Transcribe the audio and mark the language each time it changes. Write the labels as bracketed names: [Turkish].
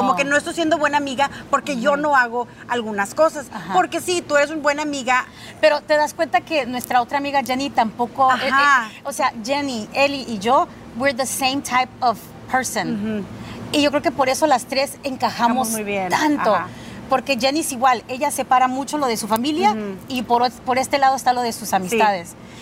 [Spanish] Como que no estoy siendo buena amiga porque uh-huh. yo no hago algunas cosas. Ajá. Porque sí, tú eres una buena amiga. Pero te das cuenta que nuestra otra amiga Jenny tampoco... Ajá. [English] Jenny, Ellie [Spanish] y yo, [English] we're the same type of person. Uh-huh. [Spanish] Y yo creo que por eso las tres encajamos muy bien. Tanto. Ajá. Porque Jenny es igual, ella separa mucho lo de su familia uh-huh. y por este lado está lo de sus amistades.